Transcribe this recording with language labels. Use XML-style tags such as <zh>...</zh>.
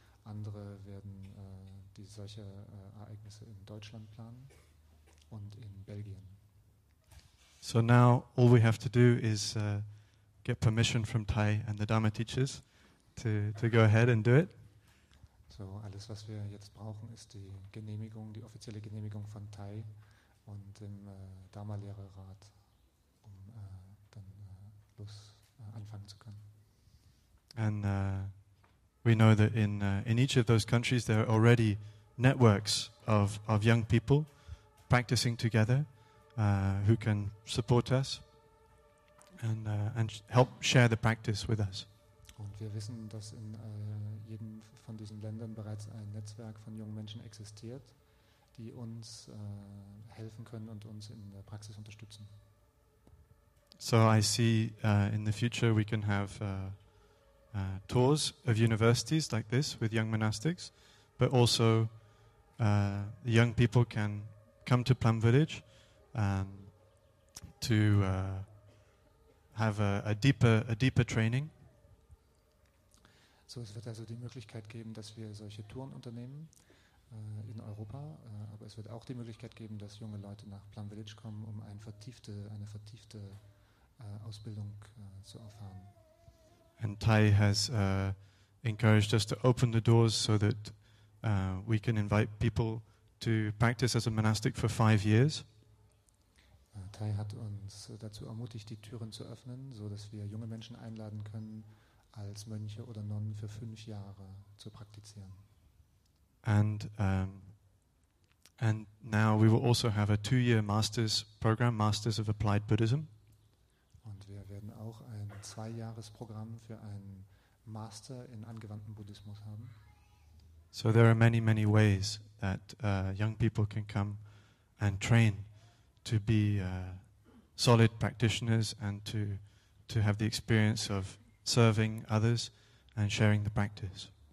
<de>Andere werden solche Ereignisse in Deutschland planen und in Belgien.</de> <en>So now all we have to do is get permission from Tai and the Dharma teachers to go ahead and do it.</en> <de>So alles, was wir jetzt brauchen, ist die Genehmigung, die offizielle Genehmigung von Tai und dem Dharma-Lehrerrat, um dann los anfangen zu können.</de> <en>And we know that in each of those countries there are already networks of young people practicing together who can support us and help share the practice with us.</en> <de>Und wir wissen, dass in jedem von diesen Ländern bereits ein Netzwerk von jungen Menschen existiert, die uns helfen können und uns in der Praxis unterstützen.</de> <en>So I see in the future we can have tours of universities like this with young monastics, but also the young people can come to Plum Village to have a deeper training.</en> <de>So es wird also die Möglichkeit geben, dass wir solche Touren unternehmen in Europa, aber es wird auch die Möglichkeit geben, dass junge Leute nach Plum Village kommen, um eine vertiefte Ausbildung zu erfahren.</de> <en>And Tai has encouraged us to open the doors so that we can invite people to practice as a monastic for 5 years.</en> <de>Tai hat uns dazu ermutigt, die Türen zu öffnen, so dass wir junge Menschen einladen können, als Mönche oder Nonnen für 5 Jahre zu praktizieren.</de> <en>And now we will also have a 2-year master's program, Masters of Applied Buddhism.</en> <de>Und wir werden auch ein 2-Jahres-Programm für einen Master in angewandtem Buddhismus haben.</de> <en>So there are many, many ways that young people can come and train to be solid practitioners and to have the experience of serving others and sharing the practice.</en>